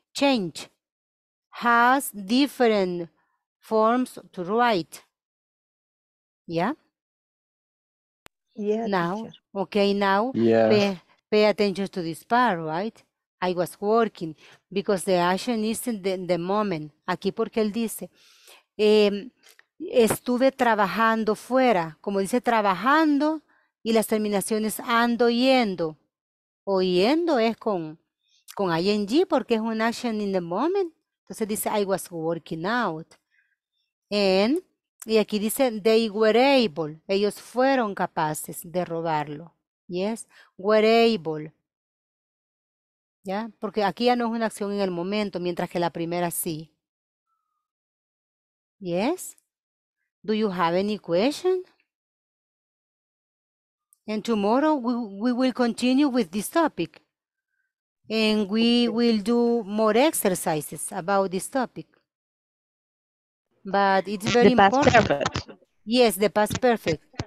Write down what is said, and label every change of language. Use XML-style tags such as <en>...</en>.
<en>Change has different forms to write. ¿Ya? Yeah? Yeah. Now, okay, now, yeah. Pay attention to this part, right? I was working because the action is in the moment.</en> <es>Aquí porque él dice, estuve trabajando fuera. Como dice trabajando y las terminaciones ando yendo. O yendo es con ing porque es un</es> <en>action in the moment.</en> <es>Entonces dice,</es> <en>I was working out.</en> <es>Y aquí dice,</es> <en>they were able.</en> <es>Ellos fueron capaces de robarlo.</es> <en>Yes, were able.</en> <es>¿Ya? Porque aquí ya no es una acción en el momento, mientras que la primera sí. ¿Yes?</es> <en>Do you have any question? And tomorrow we will continue with this topic. And we will do more exercises about this topic. But it's very important. The past perfect. Yes, the past perfect.</en>